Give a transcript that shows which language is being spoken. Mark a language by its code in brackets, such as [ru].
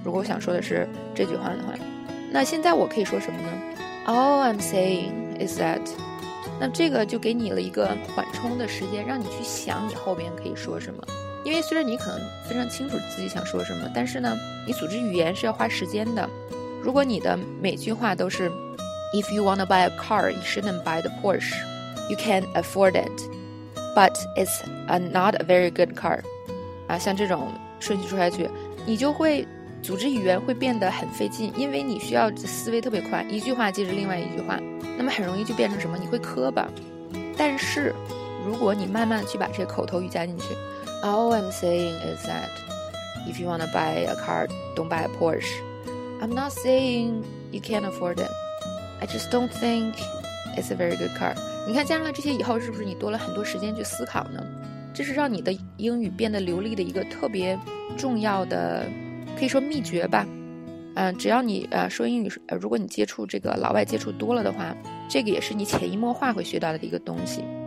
[zh] 如果我想说的是这句话的话，那现在我可以说什么呢？ [en] All I'm saying is that。 [zh] 那这个就给你了一个缓冲的时间，让你去想你后边可以说什么。因为虽然你可能非常清楚自己想说什么，但是呢你组织语言是要花时间的。如果你的每句话都是 [en] If you want to buy a car, you shouldn't buy the Porsche. You can afford it, but it's a not a very good car. [zh] 啊，像这种顺序说下去，你就会组织语言会变得很费劲，因为你需要思维特别快，一句话接着另外一句话，那么很容易就变成什么，你会磕巴。但是如果你慢慢去把这些口头语加进去， [en] All I'm saying is that if you want to buy a car, don't buy a Porsche. I'm not saying you can't afford it. I just don't think it's a very good car. [zh] 你看加上了这些以后，是不是你多了很多时间去思考呢？这是让你的英语变得流利的一个特别重要的，可以说秘诀吧。只要你说英语，如果你接触这个老外接触多了的话，这个也是你潜移默化会学到的一个东西。